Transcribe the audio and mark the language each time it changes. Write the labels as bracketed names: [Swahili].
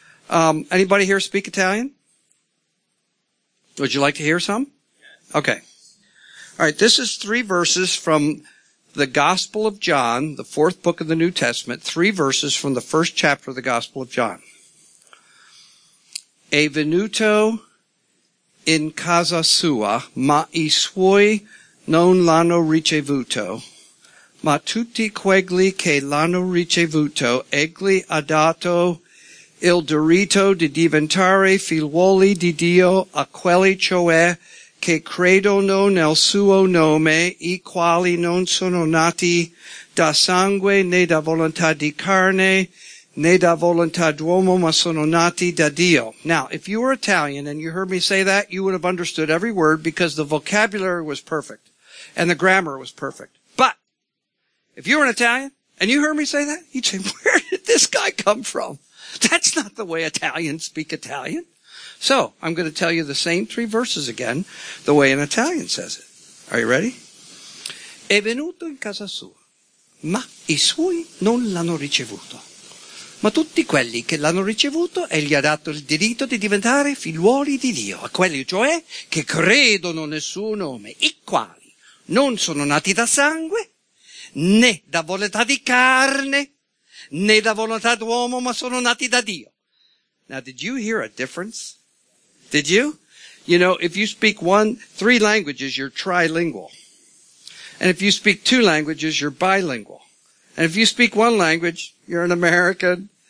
[English] Anybody here speak Italian? Would you like to hear some? Okay. All right, this is 3 verses from the Gospel of John, the 4th book of the New Testament, 3 verses from the 1st chapter of the Gospel of John. [Italian] E venuto in casa sua, ma i suoi non l'hanno ricevuto. Ma tutti quegli che l'hanno ricevuto, egli ha dato il diritto di diventare figlioli di Dio a quelli cioè che credono nel suo nome, i quali non sono nati da sangue né da volontà di carne né da volontà d'uomo, ma sono nati da Dio. [English] Now, if you were Italian and you heard me say that, you would have understood every word because the vocabulary was perfect and the grammar was perfect. If you were an Italian and you heard me say that, you'd say, where did this guy come from? That's not the way Italians speak Italian. So I'm going to tell you the same 3 verses again, the way an Italian says it. Are you ready? [Italian] È venuto in casa sua, ma i suoi non l'hanno ricevuto. Ma tutti quelli che l'hanno ricevuto, egli ha dato il diritto di diventare figlioli di Dio, a quelli cioè che credono nel suo nome, i quali non sono nati da sangue, né da volontà di carne, né da volontà d'uomo, ma sono nati da Dio. [English] Now, did you hear a difference? Did you? You know, if you speak 3 languages, you're trilingual. And if you speak 2 languages, you're bilingual. And if you speak 1 language, you're an American.